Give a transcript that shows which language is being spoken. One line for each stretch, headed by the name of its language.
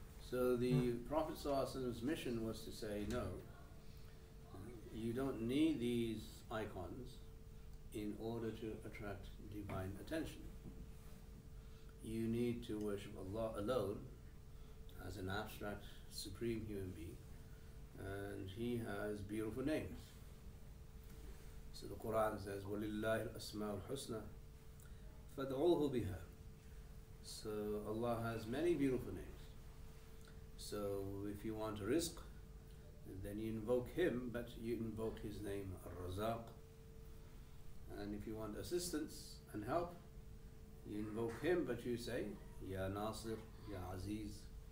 English: So the Prophet ﷺ's mission was to say, no, you don't need these icons in order to attract divine attention. You need to worship Allah alone as an abstract, supreme human being, and He has beautiful names.
Arabic: So the Quran says, وَلِلَّهِ الْأَسْمَاءُ الْحُسْنَى فَدْعُوهُ بِهَا.
English: So Allah has many beautiful names. So if you want a rizq, then you invoke Him, but you invoke His name, Ar-Razaq. And if you want assistance and help, you invoke Him, but you say, Ya Nasir, Ya Aziz.